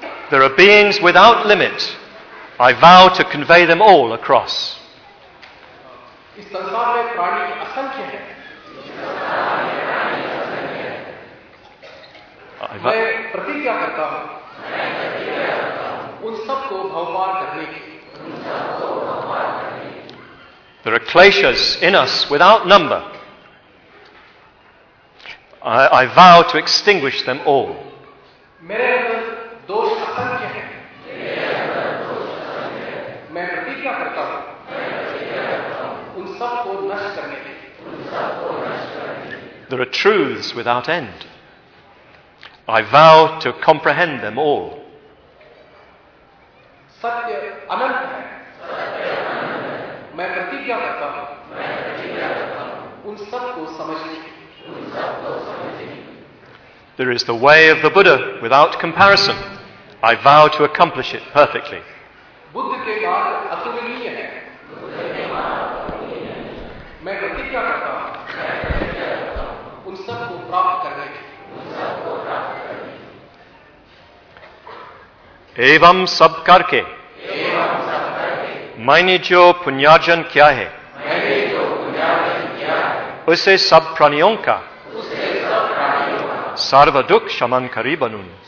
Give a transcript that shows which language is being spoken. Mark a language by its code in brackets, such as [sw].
[en] There are beings without limit. I vow to convey them all across. [hi] इस संसार में प्राणी असंख्य हैं। मैं प्रतिज्ञा करता हूँ उन सबको भवपार करने की। [en] There are kleshas in us without number. I vow to extinguish them all. [hi] मेरे अंदर दोष असंख्य हैं। मेरे अंदर दोष असंख्य हैं। मैं प्रतिज्ञा करता हूँ उन सबको नष्ट करने की। [en] There are truths without end. I vow to comprehend them all. [hi] Satya anant. मैं प्रतिज्ञा करता हूँ उन सबको समझने की। [en] There is the way of the Buddha without comparison. I vow to accomplish it perfectly. [hi] Buddha के मार्ग अतुलनीय हैं। मैं प्रतिज्ञा करता हूँ उन सबको प्राप्त करने की। एवं सब करके मैंने जो पुण्यार्जन किया है उसे सब प्राणियों का सर्वदुख शमन करी बनूं।